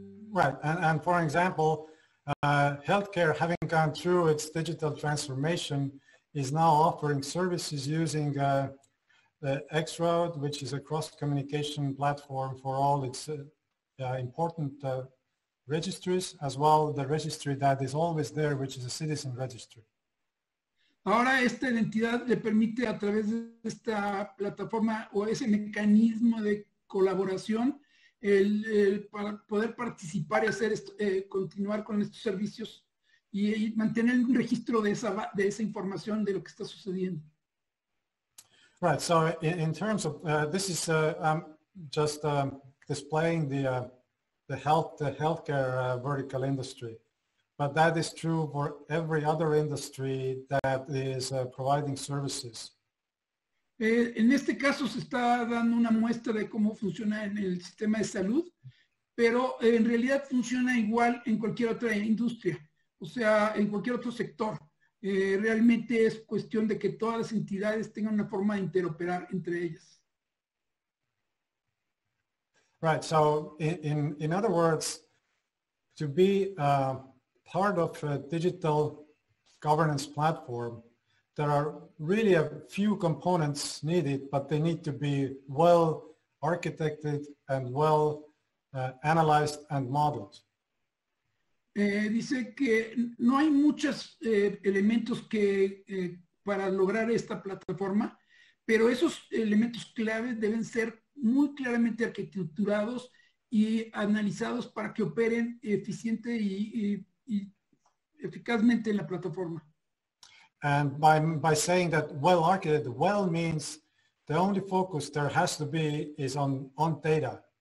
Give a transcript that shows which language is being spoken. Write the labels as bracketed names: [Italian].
[English] Right, and for example, healthcare, having gone through its digital transformation, is now offering services using the X-Road, which is a cross-communication platform for all its important registries, as well the registry that is always there, which is a citizen registry. [Spanish] Ahora esta identidad le permite a través de esta plataforma o ese mecanismo de colaboración el para poder participar y hacer esto, continuar con estos servicios y mantener un registro de esa información de lo que está sucediendo. [English] Right, so in terms of this is just displaying the healthcare vertical industry. But that is true for every other industry that is providing services. [Spanish] En este caso se está dando una muestra de cómo funciona en el sistema de salud, pero en realidad funciona igual en cualquier otra industria, o sea, en cualquier otro sector. Realmente es cuestión de que todas las entidades tengan una forma de interoperar entre ellas. [English] Right, so in other words, to be part of a digital governance platform, there are really a few components needed, but they need to be well architected and well analyzed and modeled. [Spanish] Dice que no hay muchos elementos que para lograr esta plataforma, pero esos elementos claves deben ser muy claramente arquitecturados y analizados para que operen eficiente y eficazmente en la plataforma. [English] And by saying that well architected, well means the only focus there has to be is on data.